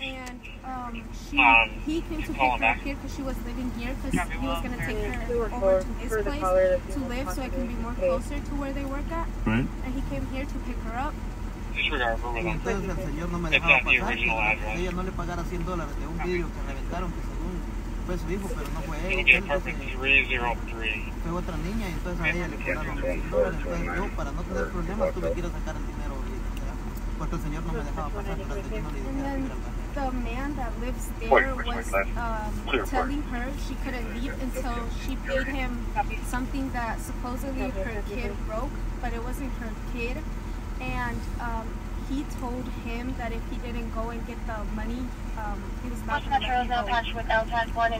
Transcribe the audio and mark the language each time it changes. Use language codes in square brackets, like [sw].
[en] And he came to pick her up here because she was living here because he was going to take her over to his place to live so it can be more closer to where they work at. Right. And he came here to pick her up. [es] Entonces el señor no me dejaba pasar, ella no le pagara $100 de un vídeo que reventaron, que según fue su hijo, pero no fue él. Fue otra niña, y entonces a ella le pagaron $100. Entonces yo, para no tener problemas, tuve que ir a sacar el dinero, porque el señor no me dejaba pasar durante que no le dijera. [en] The man that lives there was telling her she couldn't leave until she paid him something that supposedly her kid broke, but it wasn't her kid. And he told him that if he didn't go and get the money, he was not going to let him go.